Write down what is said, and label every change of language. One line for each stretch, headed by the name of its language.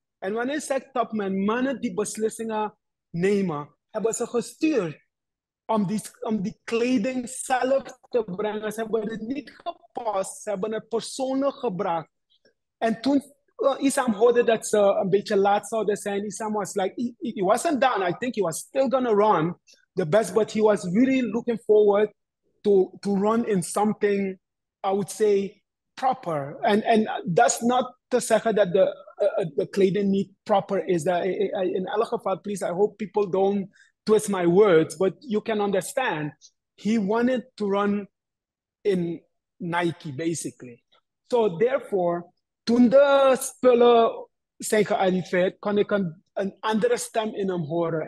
Dutch: En wanneer ik zeg top man, mannen die beslissingen nemen, hebben ze gestuurd om die kleding zelf te brengen. Ze hebben het niet gepost, ze hebben het persoonlijk gebracht. En toen Issam hoorde dat ze een beetje laat zouden zijn,
English: Issam was like, he wasn't done. I think he was still gonna run the best, but he was really looking forward to run in something, I would say, proper. And that's not to say that the the
Dutch: kleding nie proper is
English: that
Dutch: in elk geval,
English: please, I hope people don't twist my words, but you can understand he wanted to run in Nike basically. So therefore,
Dutch: toen de spullen zijn gearriveerd, kon ik een andere stem in hem horen.